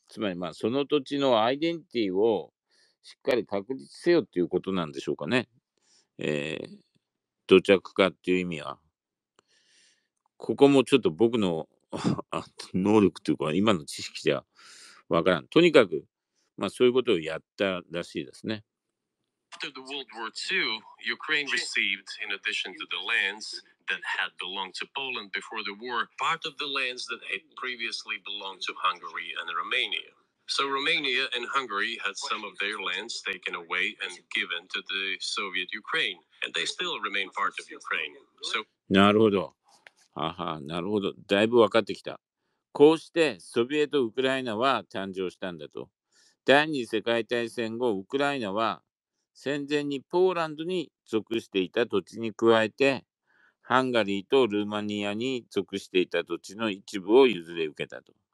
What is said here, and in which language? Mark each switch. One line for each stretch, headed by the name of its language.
Japanese: つまり、まあ、その土地のアイデンティティをしっかり確立せよということなんでしょうかね。土着化っていう意味は。ここもちょっと僕の能力というか、今の知識ではわからん。とにかく、まあ、そういうことをやったらしいですね。
English: After the World War II, Ukraine received, in addition to the lands that had belonged to Poland before the war, part of the lands that had previously belonged to Hungary and Romania. So Romania and Hungary had some of their lands taken away and given to the Soviet Ukraine, and they still remain part of Ukraine. So...
Japanese: なるほど。ああ、なるほど。だいぶ分かってきた。こうしてソビエト・ウクライナは誕生したんだと。第二次世界大戦後、ウクライナは戦前にポーランドに属していた土地に加えて、ハンガリーとルーマニアに属していた土地の一部を譲り受けたと。